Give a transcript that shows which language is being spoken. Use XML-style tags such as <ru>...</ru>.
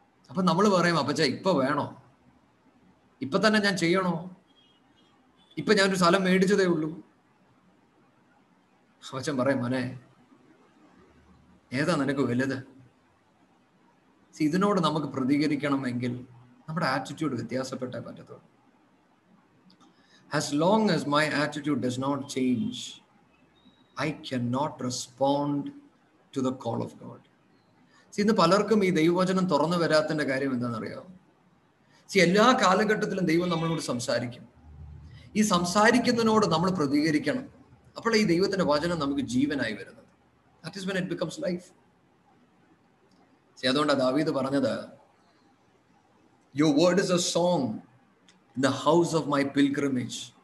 <ml>അപ്പൊ നമ്മൾ പറയും, അപ്പച്ച ഇപ്പൊ വേണോ? ഇപ്പൊ തന്നെ ഞാൻ ചെയ്യണോ? ഇപ്പൊ ഞാനൊരു സ്ഥലം മേടിച്ചതേ ഉള്ളൂ. അപ്പച്ചൻ പറയും, മനെ ഏതാ നിനക്ക് വലുത്? ഇതിനോട് നമുക്ക് പ്രതികരിക്കണമെങ്കിൽ നമ്മുടെ ആറ്റിറ്റ്യൂഡ് വ്യത്യാസപ്പെട്ടേ പറ്റത്തുള്ളൂ.</ml> <en>As long as my attitude does not change, I cannot respond to the call of God.</en> <ml>See, ഇന്ന് പലർക്കും ഈ ദൈവവചനം തുറന്നു വരാത്തതിന്റെ കാര്യം എന്താണെന്നറിയോ? See, എല്ലാ കാലഘട്ടത്തിലും ദൈവം നമ്മളോട് സംസാരിക്കും. ഈ സംസാരിക്കുന്നതിനോട് നമ്മൾ പ്രതികരിക്കണം. അപ്പോൾ ഈ ദൈവത്തിന്റെ വചനം നമുക്ക് ജീവനായി വരുന്നത്.</ml> <en>That is when it becomes life. See,</en> <ml>അതുകൊണ്ടാണ് ദാവീദ് പറഞ്ഞത്,</ml> <en>Your word is a song in the house of my pilgrimage.</en>